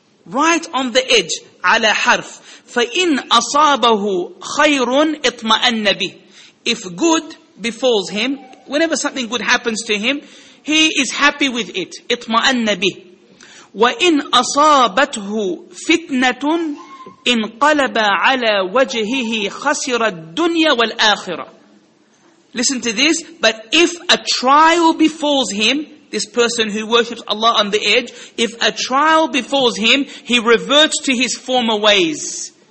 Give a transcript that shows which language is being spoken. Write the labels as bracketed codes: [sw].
[en] Right on the edge. [ar] عَلَى حَرْف. فَإِنْ أَصَابَهُ خَيْرٌ اطْمَأَنَّ بِهِ. [en] If good befalls him, whenever something good happens to him, he is happy with it. [ar] اطْمَأَنَّ بِهِ. وَإِنْ أَصَابَتْهُ فِتْنَةٌ انقلب على وجهه خسر الدنيا والآخرة. [en] Listen to this. But if a trial befalls him, this person who worships Allah on the edge, if a trial befalls him, he reverts to his former ways.